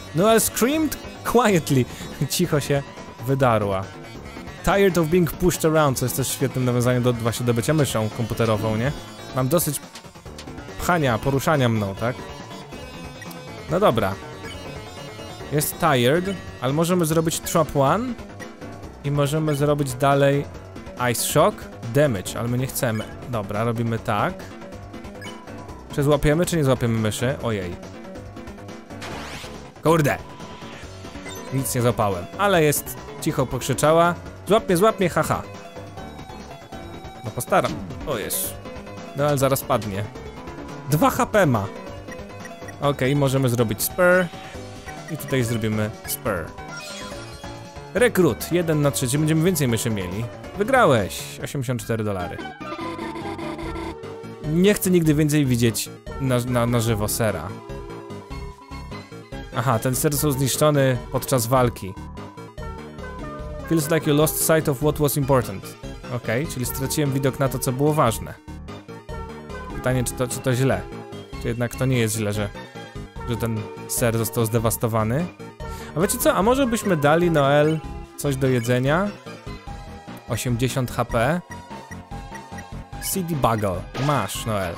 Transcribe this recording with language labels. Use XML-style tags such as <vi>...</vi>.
<en>Noelle screamed quietly.</en> <pl>Cicho się wydarła.</pl> <en>Tired of being pushed around,</en> <pl>co jest też świetnym nawiązaniem do właśnie do bycia myszą komputerową, nie? Mam dosyć pchania, poruszania mną, tak? No dobra. Jest tired, ale możemy zrobić trap one i możemy zrobić dalej ice shock damage, ale my nie chcemy. Dobra, robimy tak. Czy złapiemy, czy nie złapiemy myszy? Ojej. Kurde! Nic nie złapałem, ale jest... cicho pokrzyczała. Złap mnie, haha. No postaram. O jest. No ale zaraz padnie. 2 HP ma! Okej, okay, możemy zrobić spur. I tutaj zrobimy spur. Rekrut, 1 na 3, będziemy więcej myszy mieli. Wygrałeś! $84. Nie chcę nigdy więcej widzieć na żywo sera. Aha, ten ser został zniszczony podczas walki.</pl> <en>Feels like you lost sight of what was important.</en> <pl>Okej, okay, czyli straciłem widok na to, co było ważne. Pytanie, czy to źle? Czy jednak to nie jest źle, że ten ser został zdewastowany? A wiecie co, a może byśmy dali Noel coś do jedzenia? 80 HP. CD Bugle, masz Noel.</pl>